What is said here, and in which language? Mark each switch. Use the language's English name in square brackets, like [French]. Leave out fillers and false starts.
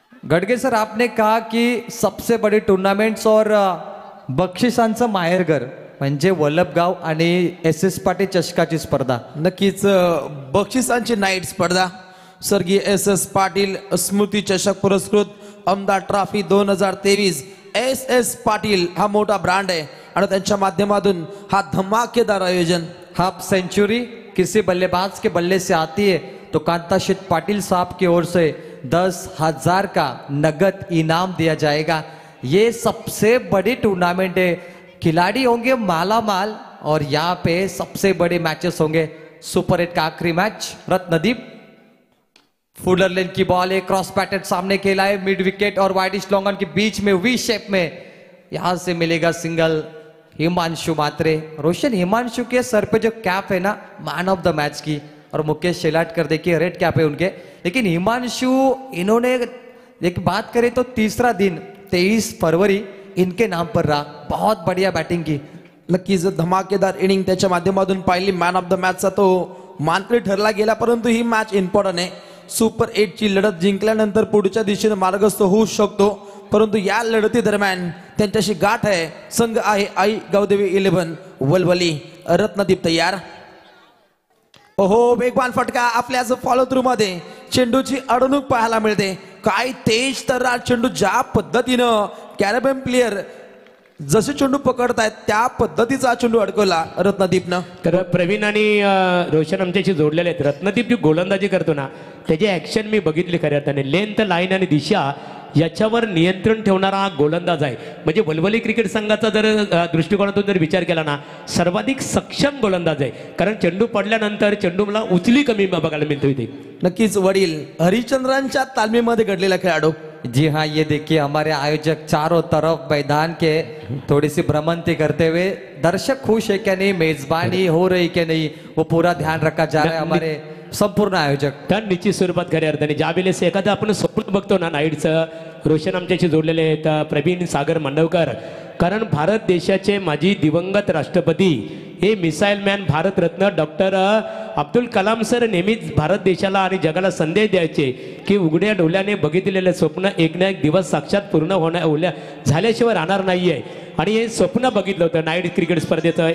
[Marathi] Gadge sir [Hindi] आपने कहा कि सबसे बड़े टूर्नामेंट्स और [Marathi] बक्षिसांचं माहेरघर म्हणजे वल्लभगाव आणि एस एस पाटील चषकाची स्पर्धा. नक्कीच बक्षिसांची नाईट स्पर्धा. स्वर्गीय एस एस पाटील स्मृती चषक पुरस्कृत अमदा ट्रॉफी 2023. एस एस पाटील हा मोठा ब्रँड आहे आणि त्यांच्या माध्यमातून हा धमाकेदार आयोजन. [Hindi] हाफ सेंचुरी किसी बल्लेबाज के बल्ले से आती है तो कांताशेत पाटील साहब की ओर से 10,000 का नगद इनाम दिया जाएगा. ये सबसे बड़ी टूर्नामेंट है. खिलाड़ी होंगे माला माल और यहाँ पे सबसे बड़े मैचेस होंगे. सुपर एट का आखिरी मैच. रत्नदीप फुलर लेन की बॉल है, क्रॉस बैटेड सामने खेला है. मिड विकेट और वाइडिश लॉन्ग ऑन के बीच में वी शेप में यहां से मिलेगा सिंगल हिमांशु मात्रे. रोशन हिमांशु के सर पे जो कैप है ना, मैन ऑफ द मैच की. और मुकेश शेलटकर देखिए रेड कैप है उनके. लेकिन हिमांशु इन्होंने एक बात करें तो 3रा दिन 23 फरवरी इनके नाम पर रहा. बहुत बढ़िया बैटिंग की. [Marathi] लक्की जो धमाकेदार इनिंग माध्यमातून पाहिली मैन ऑफ द मैच का तो मानकरी ठरला गेला, परंतु ही मैच इम्पॉर्टंट है. सुपर 8 ची लढत जिंकल्यानंतर पुढच्या दिशेने मार्गस्थ होऊ शकतो, परंतु या लढती दरम्यान त्यांच्याशी गाठ आहे. संघ आहे आई गावदेवी 11 वलवली. रत्नदीप तयार. ओहो वेगवान फटका आपल्याच फॉलो थ्रू मध्ये चेंडूची अडवणूक पाहायला मिळते. काय तेज तर चेंडू ज्या पद्धतीनं कॅरेबियन प्लेयर जसे चेंडू पकड़ता है त्या पद्धतीचा चेंडू अडकवला रत्नदीप ने, कारण प्रवीण आणि रोशन आमच्याशी जोडलेले आहेत, रत्नदीप जी गोलंदाजी करतो ना त्याचे ऍक्शन मी बघितले खऱ्या अर्थाने, लेंथ लाईन आणि दिशा याच्यावर नियंत्रण ठेवणारा हा गोलंदाज आहे, म्हणजे वलवली क्रिकेट संघाचा जर दृष्टिकोनातून जर विचार केला ना सर्वाधिक सक्षम गोलंदाज आहे, कारण चेंडू पडल्यानंतर चेंडूला उचली कमी बघायला मिळते इथे। नक्कीच वडील, हरिश्चंद्रांच्या तालमीमध्ये घडलेला खेळाडू। [Hindi] जी हाँ, ये देखिए हमारे आयोजक चारों तरफ मैदान के थोड़ी सी भ्रमंती करते हुए, दर्शक खुश है क्या नहीं, मेजबानी हो रही क्या नहीं, वो पूरा ध्यान रखा जा रहा है हमारे संपूर्ण आयोजक [Marathi] धन निश्चित स्वरूप खरे अर्थाने। ज्यावेळेस एखादं आपण स्वप्न बघतो ना नाईटच, रोशन आमच्याशी जोडलेले आहेत प्रवीण सागर मांडवकर, कारण भारत देशाचे माजी दिवंगत राष्ट्रपती हे missile man Bharat Ratna doctor Abdul Kalam sir नेहमीच भारत देशाला आणि जगाला संदेश द्यायचे की उघड्या डोळ्याने बघितलेले स्वप्न एक ना एक दिवस साक्षात पूर्ण होण्या झाल्याशिवाय राहणार नाही आहे, आणि हे स्वप्न बघितलं होतं नाईट क्रिकेट स्पर्धेचं।